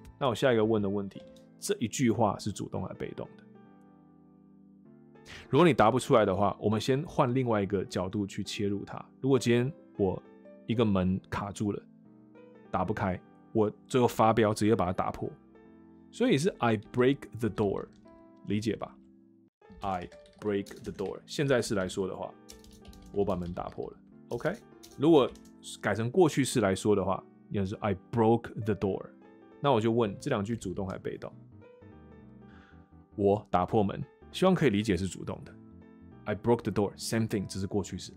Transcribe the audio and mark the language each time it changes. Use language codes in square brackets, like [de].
[zh] 那我下一个问的问题，这一句话是主动还是被动的？如果你答不出来的话，我们先换另外一个角度去切入它。如果今天我一个门卡住了，打不开，我最后发飙直接把它打破，所以是 [en] I break the door。 [zh] 理解吧 ， [en] I break the door。 [zh] 现在式来说的话，我把门打破了。OK， 如果改成过去式来说的话，应该是 [en] I broke the door。 [zh] 那我就问，这两句主动还是被动？我打破门，希望可以理解是主动的。 [en] I broke the door， same thing， [zh] 只是过去式。